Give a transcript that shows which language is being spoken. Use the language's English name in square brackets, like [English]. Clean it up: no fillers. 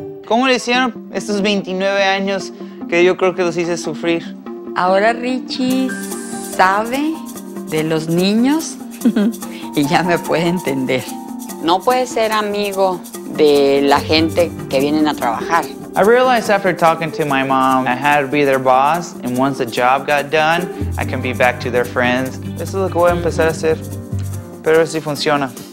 [Spanish] ¿Cómo le hicieron estos 29 años que yo creo que los hice sufrir? Ahora Richie sabe de los niños y ya me puede entender. No puede ser amigo de la gente que vienen a trabajar. [English] I realized after talking to my mom, I had to be their boss, and once the job got done, I can be back to their friends. [Spanish] Eso es lo que voy a empezar a hacer, pero sí funciona.